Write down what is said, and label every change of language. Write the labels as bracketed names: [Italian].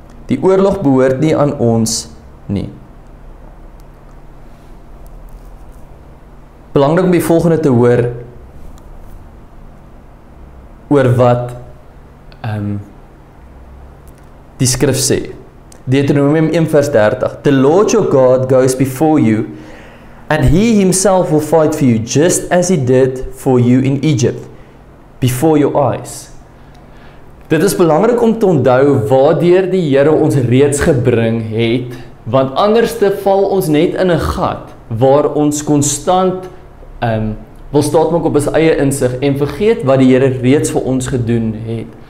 [Afrikaans] Die oorlog behoort nie aan ons nie. Belangrik om die volgende te hoor oor wat die skrif sê. Deuteronomium 1 vers 30. [English] The Lord your God goes before you and he himself will fight for you just as he did for you in Egypt before your eyes. [Afrikaans] Dit is belangrik om te onthou waardeur die Here ons reeds gebring het, want anders te val ons net in 'n gat waar ons constant wil staatmaak op ons eie insig en vergeet wat die Here reeds vir ons gedoen het.